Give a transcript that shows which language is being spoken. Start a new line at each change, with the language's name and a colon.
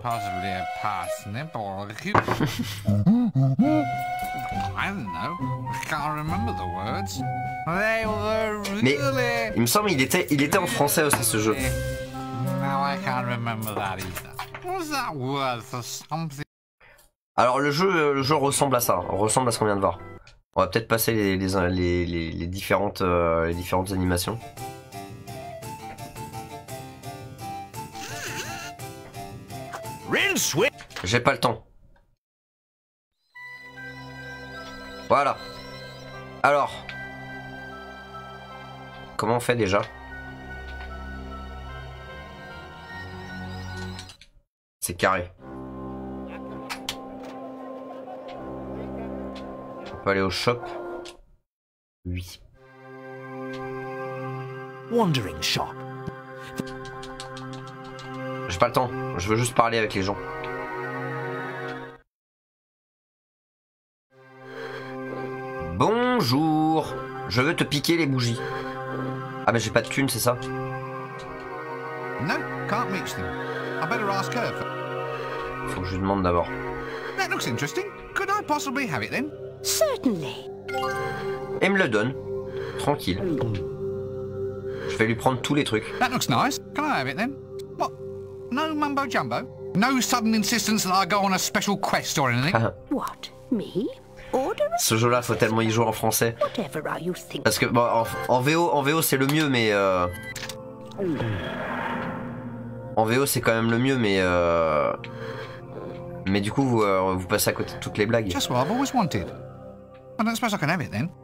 English: Possibly a parsnip or a cube. I don't know. I can't remember the words. They were really.
French: Mais il me semble il était en français aussi ce jeu.
English: Now I can't remember that either. Was that word for something?
French: Alors le jeu ressemble à ça, ressemble à ce qu'on vient de voir. On va peut-être passer les différentes animations. Mmh.
English: Real sweet.
French: J'ai pas le temps. Voilà. Alors. Comment on fait déjà? C'est carré. On peut aller au shop. Oui.
English: Wandering shop.
French: J'ai pas le temps. Je veux juste parler avec les gens. Bonjour. Je veux te piquer les bougies. Ah mais j'ai pas de thune, c'est ça?
English: No, can't reach them. I better ask her.
French: Faut que je lui demande d'abord.
English: That looks interesting. Could I possibly have it then? Certainly.
French: Et me le donne. Tranquille. Je vais lui prendre tous les trucs.
English: That looks nice. Can I have it then? What? No mumbo jumbo? No sudden insistence that I go on a special quest or anything? What? Me? Order?
French: Ce jeu-là, faut tellement y jouer en français.
English: Whatever are you thinking?
French: Parce que bon, en VO, c'est le mieux, mais En VO, c'est quand même le mieux, mais Mais du coup, vous passez à côté de toutes les blagues.
English: Just what I've always wanted. I don't suppose I can have it then.